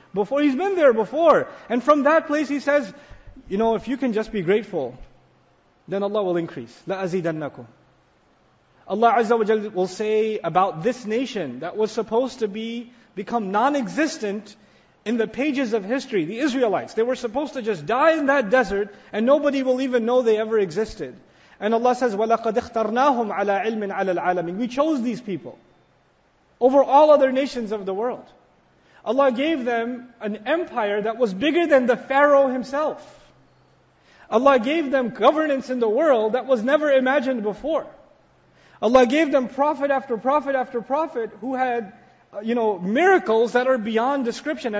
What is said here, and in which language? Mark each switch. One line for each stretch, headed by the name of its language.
English: Before, he's been there before. And from that place he says, you know, if you can just be grateful, then Allah will increase.
Arabic: La azidannakum.
English: Allah Azza wa Jalla will say about this nation that was supposed to become non-existent in the pages of history, the Israelites. They were supposed to just die in that desert and nobody will even know they ever existed. And Allah says,
Arabic: وَلَقَدْ اخْتَرْنَاهُمْ عَلَىٰ عِلْمٍ عَلَىٰ الْعَالَمِينَ.
English: We chose these people over all other nations of the world. Allah gave them an empire that was bigger than the Pharaoh himself. Allah gave them governance in the world that was never imagined before. Allah gave them prophet after prophet after prophet who had, you know, miracles that are beyond description.